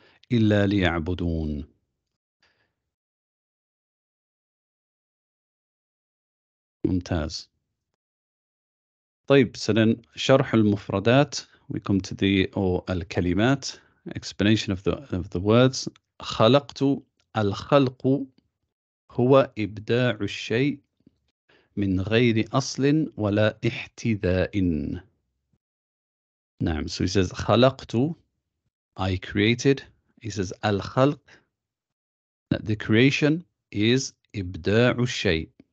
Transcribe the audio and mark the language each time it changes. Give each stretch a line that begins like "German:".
Arabic: Illa liya'budun.
English: Mumtaz. طيب, so then
Arabic: شرح المفردات,
English: we come to the الكلمات, explanation of the words.
Arabic: خلقت, الخلق هو إبداع الشيء من غير أصل ولا احتذاء.
English: نعم, so he says خلقت, I created. He says الخلق, that the creation is
Arabic: إبداع الشيء.